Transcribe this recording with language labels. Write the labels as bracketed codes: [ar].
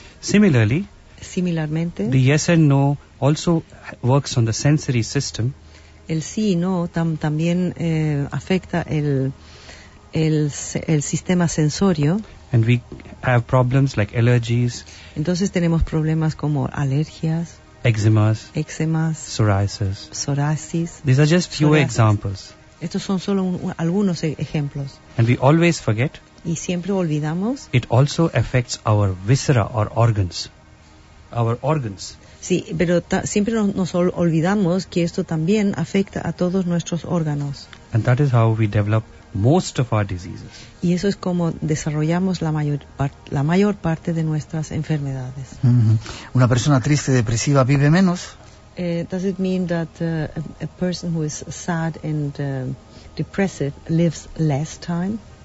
[es] Similarmente, [en] the yes and no also works on the sensory system. [es] El sí y no también afecta el sistema sensorio. [en] And we have problems like allergies. [es] Entonces tenemos problemas como alergias. Eczemas. Psoriasis. [en] These are just few examples. [es] Estos son solo algunos ejemplos. [en] And we always forget. [es] Y siempre olvidamos. [en] It also affects our viscera or organs. Our organs. [es] Sí, pero siempre nos olvidamos que esto también afecta a todos nuestros órganos. [en] And that is how we develop most of our diseases. [es] Y eso es como desarrollamos la mayor parte de nuestras enfermedades. Mm-hmm. Una persona triste, depresiva vive menos. [en] Does it mean that a person who is sad and depressive lives less time?